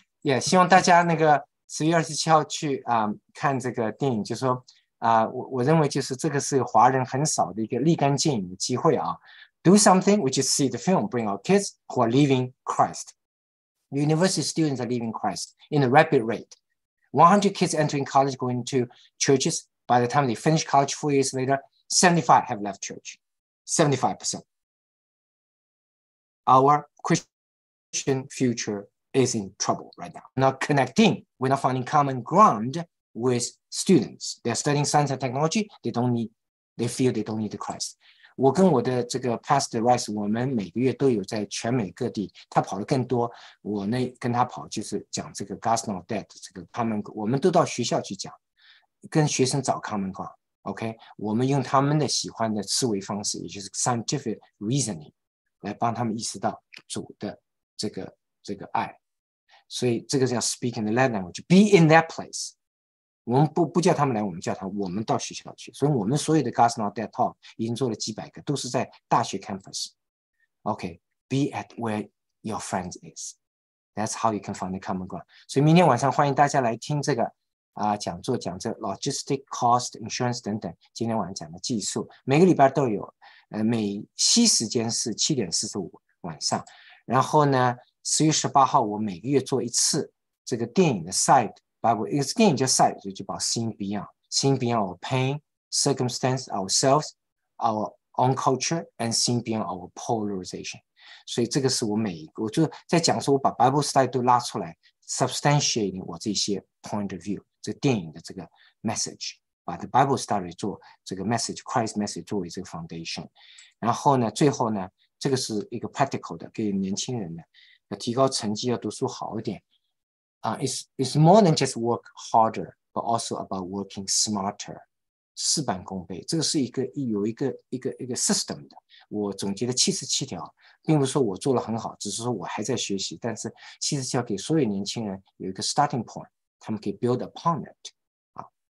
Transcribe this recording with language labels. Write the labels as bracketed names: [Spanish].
[Chinese] Yeah, 希望大家那个10月27号去看这个电影，就说我认为就是这个是华人很少的一个立竿见影的机会啊。 [English] Do something, which is see the film, bring our kids who are leaving Christ. University students are leaving Christ in a rapid rate. 100 kids entering college, going to churches. By the time they finish college 4 years later, 75 have left church. 75%. Our Christian future is in trouble right now. Not connecting, we're not finding common ground with students. They're studying science and technology. They feel they don't need the Christ. [Chinese] 我跟我的这个 Pastor Rice, 我们每个月都有在全美各地，他跑了更多，我呢跟他跑就是讲这个 Gospel of Death, 这个 Common Ground, 我们都到学校去讲，跟学生找 Common Ground, OK? 我们用他们的喜欢的思维方式，也就是 Scientific Reasoning, 来帮他们意识到主的这个爱。所以这个叫 [English] Speak in the Latin Language, Be in that place. [Chinese] 我们不叫他们来，我们叫他们，我们到学校去。所以我们所有的 Gospel Not Dead Talk 已经做了几百个，都是在大学 campus。 [English] OK, be at where your friends is. That's how you can find the common ground. [Chinese] 所以明天晚上欢迎大家来听这个讲座，讲这 logistic cost, insurance 等等。今天晚上讲的技术，每个礼拜都有。美西时间是7:45晚上。然后呢，10月18号我每个月做一次这个电影的 side。 [English] Bible is again just sight, [Chinese] 所以就把 [English] seeing beyond our pain, circumstance, ourselves, our own culture, and seeing beyond our polarization. [Chinese] 所以这个是我每一个，我就在讲说我把 Bible study 都拉出来 substantiating 我这些 point of view, 这电影的这个 message, 把 the Bible study 做这个 message, Christ message 作为这个 foundation. 然后呢，最后呢，这个是一个 practical 的，给年轻人的，要提高成绩，要读书好一点。 [English] It's more than just work harder, but also about working smarter. [Chinese] 事半功倍，这个是一个有一个 system 的。我总结了77条，并不是说我做了很好，只是说我还在学习。但是77条给所有年轻人有一个 starting point, 他们可以 [English] build upon it. [Chinese] 好，